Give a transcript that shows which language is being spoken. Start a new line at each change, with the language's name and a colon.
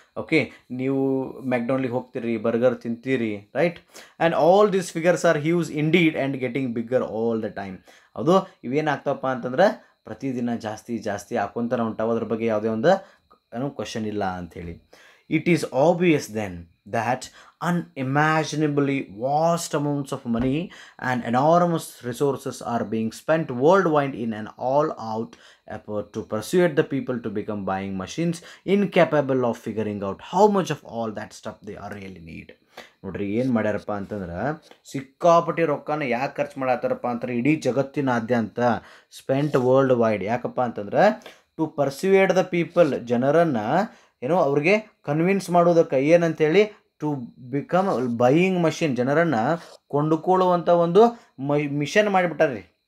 Kannada: Okay, ನೀವು ಮ್ಯಾಕ್ಡೊನಾಲ್ಡ್ಗೆ ಹೋಗ್ತೀರಿ, burger ತಿಂತೀರಿ, right?
English: And all these figures are huge indeed and getting bigger all the time.
Kannada: ಅದು ಇವೇನಾಗ್ತಪ್ಪ ಅಂತಂದ್ರೆ ಪ್ರತಿದಿನ ಜಾಸ್ತಿ ಹಾಕೊಂತಾರ ಉಂಟಾವ, ಅದ್ರ ಬಗ್ಗೆ ಯಾವುದೇ ಒಂದು ಏನೋ ಕ್ವಶನ್ ಇಲ್ಲ ಅಂಥೇಳಿ.
English: It is obvious then that unimaginably vast amounts of money and enormous resources are being spent worldwide in an all-out effort to persuade the people to become buying machines incapable of figuring out how much of all that stuff they are really need.
Kannada: ನೋಡ್ರಿ ಏನು ಮಾಡ್ಯಾರಪ್ಪ ಅಂತಂದ್ರೆ ಸಿಕ್ಕಾಪಟ್ಟಿ ರೊಕ್ಕನ ಯಾಕೆ ಖರ್ಚು ಮಾಡತ್ತಾರಪ್ಪ ಅಂತಂದ್ರೆ ಇಡೀ ಜಗತ್ತಿನಾದ್ಯಂತ
English: spent worldwide
Kannada: ಯಾಕಪ್ಪ ಅಂತಂದ್ರೆ
English: to persuade the people
Kannada: ಜನರನ್ನು ಏನೋ ಅವ್ರಿಗೆ ಕನ್ವಿನ್ಸ್ ಮಾಡೋದಕ್ಕೆ ಏನಂತೇಳಿ
English: to become buying machine,
Kannada: ಜನರನ್ನು ಕೊಂಡುಕೊಳ್ಳುವಂಥ ಒಂದು ಮಿಷನ್ ಮಾಡಿಬಿಟ್ಟಾರ ರೀ.